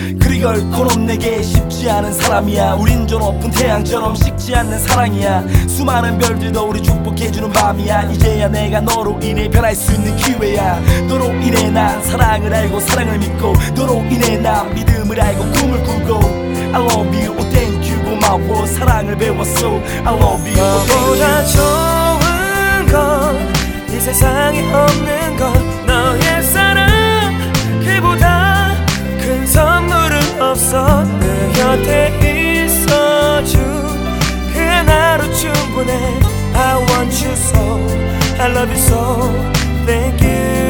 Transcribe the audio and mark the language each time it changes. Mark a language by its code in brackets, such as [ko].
[ko] 그리 결코는 내게 쉽지 않은 사람이야. 우린 저 높은 태양처럼 식지 않는 사랑이야. 수많은 별들도 우리 축복해주는 밤이야. 이제야 내가 너로 인해 변할 수 있는 기회야. 너로 인해 난 사랑을 알고 사랑을 믿고, 너로 인해 난 믿음을 알고 꿈을 꾸고. [en] I love you, oh thank you, [ko] 고마워. 사랑을 배웠어. [en] I love you, oh thank you. [ko] 나보다 좋은 건 이 세상에 없는 건 너의 사랑. 그보다 큰 선물은 없어. 내 곁에 있어준 그 하루 충분해. [en] I want you so, I love you so, thank you.